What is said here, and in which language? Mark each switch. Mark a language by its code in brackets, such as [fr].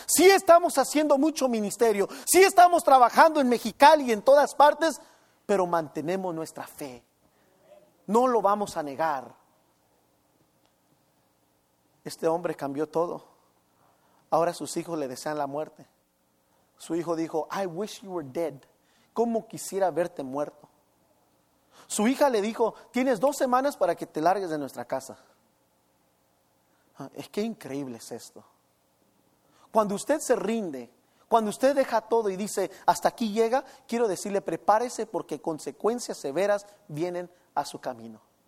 [es] Sí estamos haciendo mucho ministerio. Sí estamos trabajando en Mexicali y en todas partes. Pero mantenemos nuestra fe. No lo vamos a negar. Este hombre cambió todo. Ahora sus hijos le desean la muerte. Su hijo dijo, [en] I wish you were dead. [es] ¿Cómo quisiera verte muerto? Su hija le dijo, tienes 2 semanas para que te largues de nuestra casa. Es que increíble es esto. Cuando usted se rinde, cuando usted deja todo y dice, hasta aquí llega, quiero decirle, prepárese porque consecuencias severas vienen a su camino.